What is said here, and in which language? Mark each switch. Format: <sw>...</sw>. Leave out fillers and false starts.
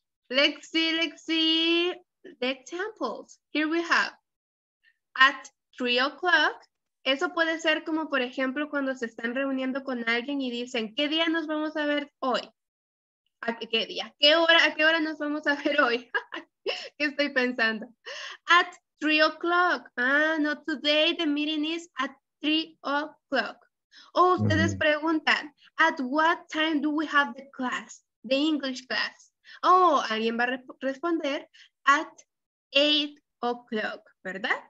<en>Let's see the examples. Here we have at 3 o'clock,</en> <es>Eso puede ser como, por ejemplo, cuando se están reuniendo con alguien y dicen, ¿qué día nos vamos a ver hoy? ¿A qué día? ¿A qué hora nos vamos a ver hoy? ¿Qué estoy pensando?</es> <en>At 3 o'clock. Ah, no, today the meeting is at 3 o'clock.</en> <es>O ustedes</es> <en>mm-hmm.</en> <es>preguntan,</es> <en>at what time do we have the class, the English class?</en> <es>O alguien va a responder,</es> <en>at 8 o'clock,</en> <es>¿verdad?</es>